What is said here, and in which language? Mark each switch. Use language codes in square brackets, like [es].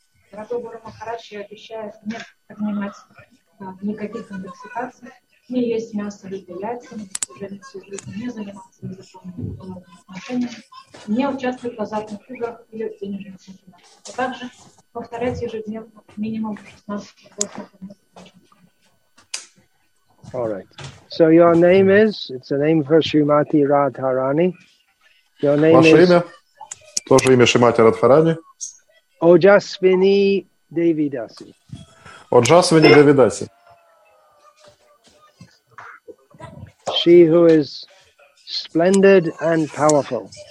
[ru] Дорогой Гуру Махарадж, я обещаю не принимать никаких интоксикаций, не есть мясо, либо яйца, не заниматься незаконными отношениями, не участвовать в азартных играх или в денежных финансах, а также повторять ежедневно минимум 16 вопросов. [en] All right. So your name is, it's a name for Shrimati Radharani. Your name [ru] Ваше [en] is... [ru] имя? Тоже имя Шримати Радхарани. Оджасвини Девидаси. Оджасвини Девидаси. [en] She who is splendid and powerful.